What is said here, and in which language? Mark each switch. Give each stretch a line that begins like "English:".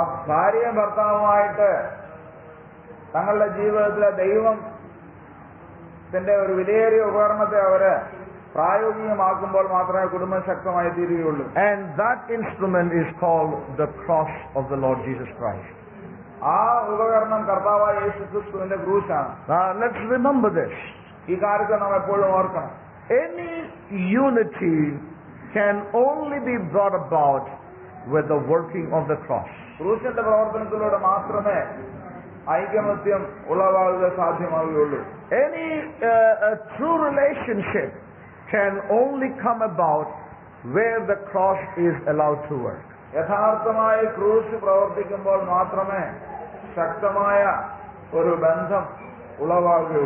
Malayalam: ഭാര്യയും ഭർത്താവുമായിട്ട് തങ്ങളുടെ ജീവിതത്തിൽ ദൈവം തന്റെ ഒരു വിലയേറിയ ഉപകരണത്തെ അവര് പ്രായോഗികമാക്കുമ്പോൾ മാത്രമേ കുടുംബം ശക്തമായി തീരുകയുള്ളൂ.
English: And that instrument is called the cross of the Lord Jesus Christ.
Malayalam: ആ ഉപകരണം കർത്താവായ യേശുക്രിസ്തുവിന്റെ ക്രൂശാണ്.
English: Let's remember this.
Malayalam: ഈ കാര്യത്തെ നാം എപ്പോഴും ഓർക്കണം.
English: Any unity can only be brought about with the working of the cross.
Malayalam: ക്രൂശന്റെ പ്രവർത്തനത്തിലൂടെ മാത്രമേ ഐക്യമത്യം ഉളവാകുക സാധ്യമാവുകയുള്ളൂ.
English: Any true relationship can only come about where the cross is allowed to work.
Malayalam: യഥാർത്ഥമായി ക്രൂശ് പ്രവർത്തിക്കുമ്പോൾ മാത്രമേ ശക്തമായ ഒരു ബന്ധം ഉളവാകൂ.